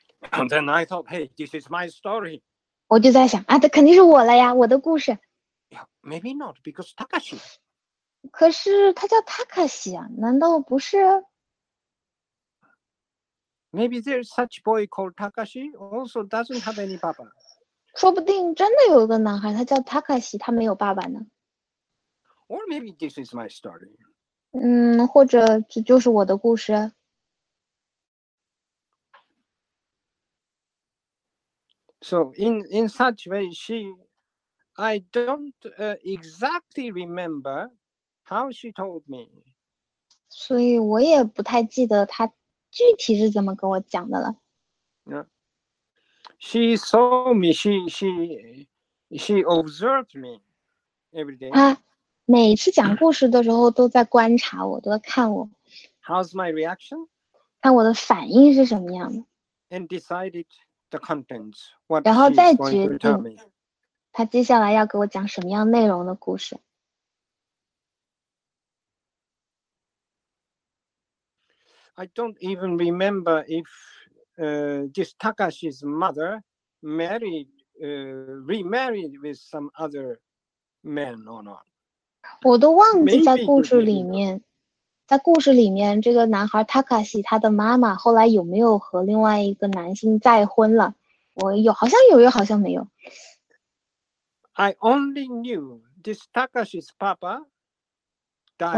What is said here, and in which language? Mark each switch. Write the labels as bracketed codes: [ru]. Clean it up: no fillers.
[en] And then I thought, hey, this is my story. [zh] 我就在想啊，这肯定是我了呀，我的故事。 [en] Yeah, maybe not because Takashi. [zh] 可是他叫 Takashi 啊，难道不是？ [en] Maybe there's such a boy called Takashi, also doesn't have any 爸爸。 [zh] 说不定真的有一个男孩，他叫 Takashi， 他没有爸爸呢。 [en] Or maybe this is my story. [zh] 或者这就是我的故事。 [en] So in such way, she, I don't exactly remember how she told me. [zh] 所以我也不太记得她。具体是怎么跟我讲的了 [en] ？She saw me. She observed me every day. [zh] 她每次讲故事的时候都在观察我，都在看我。 [en] How's my reaction? [zh] 看我的反应是什么样的。 [en] And decided the contents. What? [zh] 然后再决定她接下来要给我讲什么样内容的故事。 [en] I don't even remember if this Takashi's mother remarried with some other man or not. [zh] 我都忘记在故事里面，在故事里面，这个男孩 Takashi 他的妈妈后来有没有和另外一个男性再婚了？我有，好像有，又好像没有。 [en] I only knew this Takashi's papa died.